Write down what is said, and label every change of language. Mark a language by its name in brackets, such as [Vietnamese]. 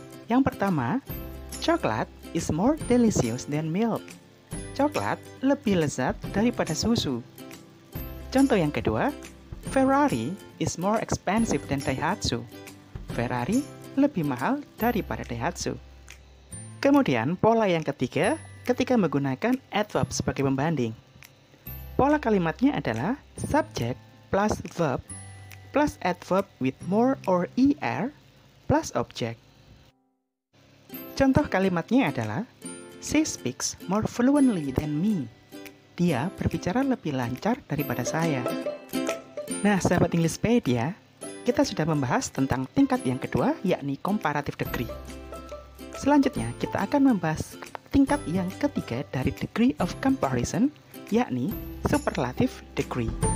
[Indonesian] Yang pertama, [English] chocolate is more delicious than milk. [Indonesian] Coklat lebih lezat daripada susu. Contoh yang kedua, [English] Ferrari is more expensive than Daihatsu. [Indonesian] Ferrari lebih mahal daripada Daihatsu. Kemudian, pola yang ketiga, ketika menggunakan adverb sebagai pembanding. Pola kalimatnya adalah [English] subject plus verb, plus adverb with more or er, plus object. [Indonesian] Contoh kalimatnya adalah, [English] She speaks more fluently than me. [Indonesian] Dia berbicara lebih lancar daripada saya. Nah, sahabat Englishpedia, kita sudah membahas tentang tingkat yang kedua, yakni comparative degree. Selanjutnya, kita akan membahas tingkat yang ketiga dari degree of comparison, yakni superlative degree.